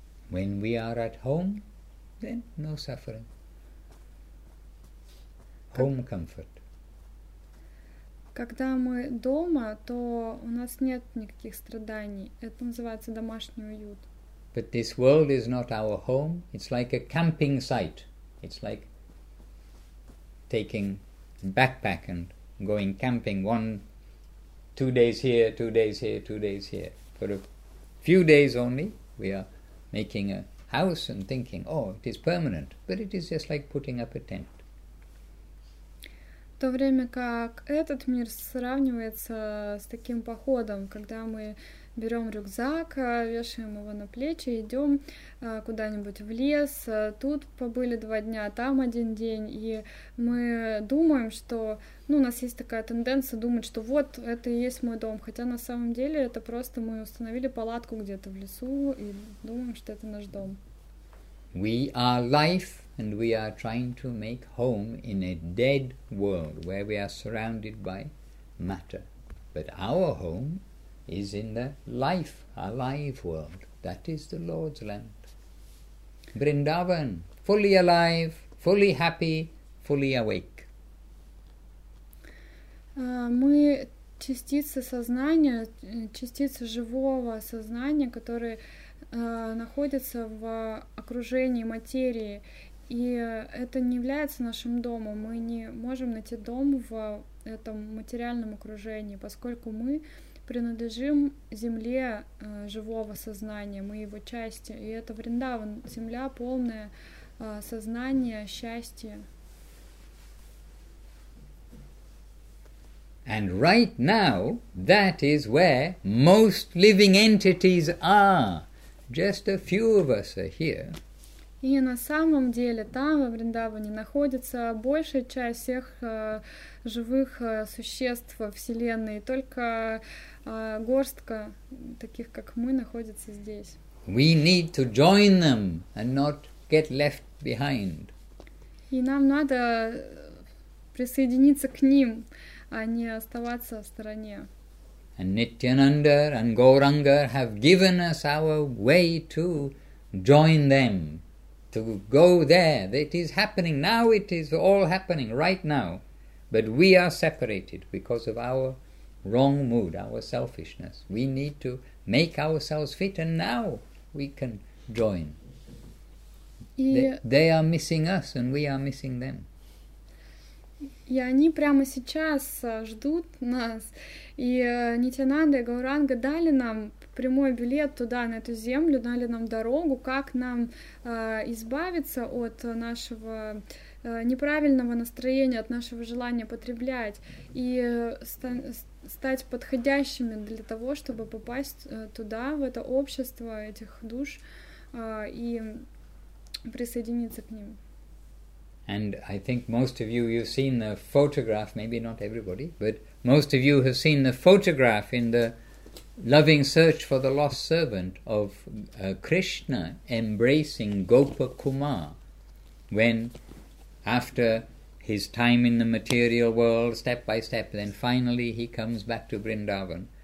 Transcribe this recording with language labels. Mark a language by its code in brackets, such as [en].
[en] When we are at home, then no suffering. Home comfort. [ru] Когда мы дома, то у нас нет никаких страданий. Это называется домашний уют. [en] But this world is not our home. It's like a camping site. It's like taking a backpack and going camping 2 days here, 2 days here, 2 days here. For a few days only, we are making a house and thinking, oh, it is permanent, but it is just like putting up a tent. [ru] В то время как этот мир сравнивается с таким походом, когда мы берем рюкзак, вешаем его на плечи, идем куда-нибудь в лес, тут побыли 2 дня, там 1 день, и мы думаем, что, ну, у нас есть такая тенденция думать, что вот, это и есть мой дом, хотя на самом деле это просто мы установили палатку где-то в лесу и думаем, что это наш дом. [en] We are life, and we are trying to make home in a dead world, where we are surrounded by matter. But our home is in the life, alive world. That is the Lord's land. Vrindavan, fully alive, fully happy, fully awake. [ru] Мы частица сознания, частица живого сознания, которое находится в окружении материи. И это не является нашим домом. Мы не можем найти дом в этом материальном окружении, поскольку мы принадлежим земле живого сознания, мы его части, и это Вриндаван, земля полная сознания, счастья. [en] And right now, that is where most living entities are. Just a few of us are here. [ru] И на самом деле там, во Вриндаване, находится большая часть всех живых существ во Вселенной, и только горстка таких, как мы, находится здесь. [en] We need to join them and not get left behind. [ru] И нам надо присоединиться к ним, а не оставаться в стороне. [en] And Nityananda and Gauranga have given us our way to join them, to go there. It is happening now, it is all happening right now. But we are separated because of our wrong mood, our selfishness. We need to make ourselves fit, and now we can join. They are missing us, and we are missing them. [ru] И они прямо сейчас ждут нас. И Нитянанда и Гауранга дали нам прямой билет туда, на эту землю, дали нам дорогу, как нам избавиться от нашего неправильного настроения, от нашего желания потреблять и стать подходящими для того, чтобы попасть туда, в это общество этих душ и присоединиться к ним. [en] And I think most of you, you've seen the photograph, maybe not everybody, but most of you have seen the photograph in the Loving Search for the Lost Servant of Krishna embracing Gopakumar when, after his time in the material world, step by step, then finally he comes back to Vrindavan.